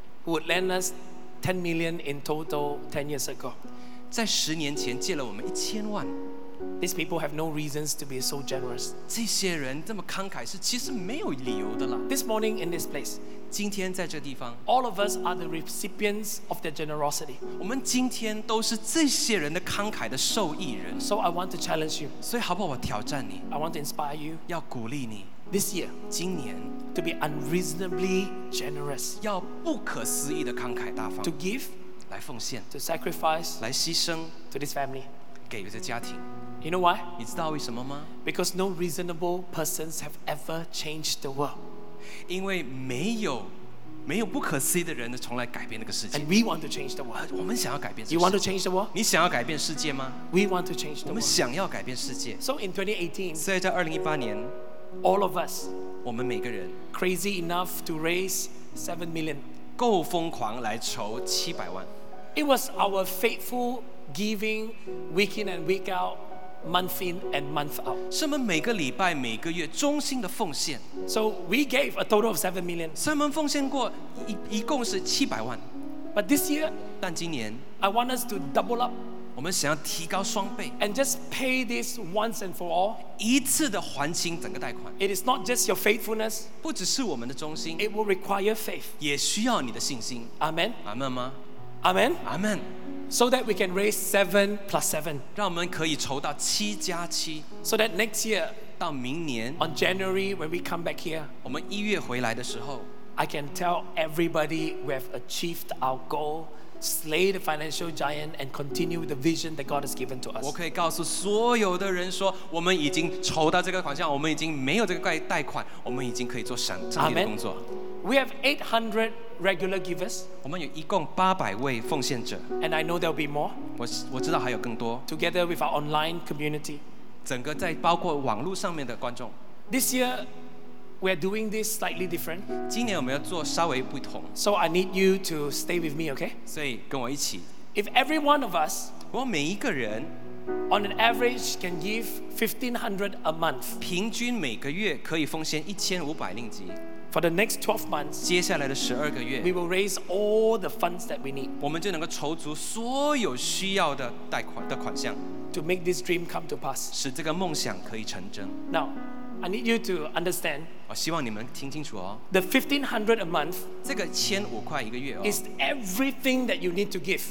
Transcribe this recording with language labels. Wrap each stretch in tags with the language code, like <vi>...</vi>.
<en>who would lend us 10 million in total 10 years ago.</en> <zh>在十年前借了我们一千万。</zh> <en>These people have no reasons to be so generous.</en> <zh>这些人这么慷慨是其实没有理由的了。</zh> <en>This morning in this place,</en> <zh>今天在这地方</zh> <en>all of us are the recipients of their generosity.</en> <zh>我们今天都是这些人的慷慨的受益人。</zh> <en>So I want to challenge you.</en> <zh>所以好不好我挑战你</zh> <en>I want to inspire you.</en> <zh>要鼓励你。</zh> <en>This year,</en> <zh>今年</zh> <en>to be unreasonably generous,</en> <zh>要不可思议的慷慨大方</zh> <en>to give,</en> <zh>来奉献</zh> <en>to sacrifice,</en> <zh>来牺牲</zh> <en>to this family,</en> <zh>给这家庭</zh> <en>You know why?</en> <zh>你知道为什么吗</zh> <en>Because no reasonable persons have ever changed the world.</en> <zh>因为没有不可思议的人从来改变那个世界</zh> <en>And we want to change the world.</en> <zh>我们想要改变世界</zh> <en>You want to change the world?</en> <zh>你想要改变世界吗</zh> <en>We want to change the world.</en> <zh>我们想要改变世界</zh> <en>So in 2018,</en> <zh>所以在2018年</zh> <en>All of us,</en> <zh>我们每个人</zh> <en>crazy enough to raise 7 million,</en> <zh>够疯狂来筹七百万</zh> <en>It was our faithful giving week in and week out, month in and month out.</en> <zh>是我们每个礼拜每个月忠心的奉献</zh> <en>So we gave a total of 7 million.</en> <zh>所以我们奉献过一共是七百万</zh> <en>But this year,</en> <zh>但今年</zh> <en>I want us to double up.</en> <zh>我们想要提高双倍</zh> <en>and just pay this once and for all</en> <zh>一次的还清整个贷款</zh> <en>it is not just your faithfulness</en> <zh>不只是我们的忠心</zh> <en>it will require faith</en> <zh>也需要你的信心</zh> <en>Amen</en> <zh>Amen 吗</zh> <en>Amen Amen So that we can raise 7 plus 7</en> <zh>让我们可以筹到七加七</zh> <en>So that next year</en> <zh>到明年</zh> <en>on January when we come back here</en> <zh>我们一月回来的时候</zh> <en>I can tell everybody we have achieved our goalslay the financial giant and continue the vision that God has given to us.</en> <zh>我可以告诉所有的人说，我们已经筹到这个款项，我们已经没有这个贷款，我们已经可以做神正义的工作。</zh> <en>Amen. We have 800 regular givers.</en> <zh>我们有一共八百位奉献者。</zh> <en>And I know there'll be more.</en> <zh>我知道还有更多。</zh> <en>Together with our online community.</en> <zh>整个在包括网络上面的观众。</zh> <en>This year. We are doing this slightly different.</en> <zh>今年我们要做稍微不同。</zh> <en>So I need you to stay with me, okay?</en> <zh>所以跟我一起。</zh> <en>If every one of us,</en> <zh>我每一个人</zh> <en>on an average can give 1500 a month.</en> <zh>平均每个月可以奉献1500令吉。</zh> <en>For the next 12 months,</en> <zh>接下来的12个月</zh> <en>we will raise all the funds that we need.</en> <zh>我们就能够筹足所有需要的贷款的款项。</zh> <en>To make this dream come to pass.</en> <zh>使这个梦想可以成真。</zh> <en>Now,I need you to understand.</en> <zh>我希望你们听清楚哦。</zh> <en>The 1500 a month.</en> <zh>这个千五块一个月哦。</zh> <en>Is everything that you need to give.</en>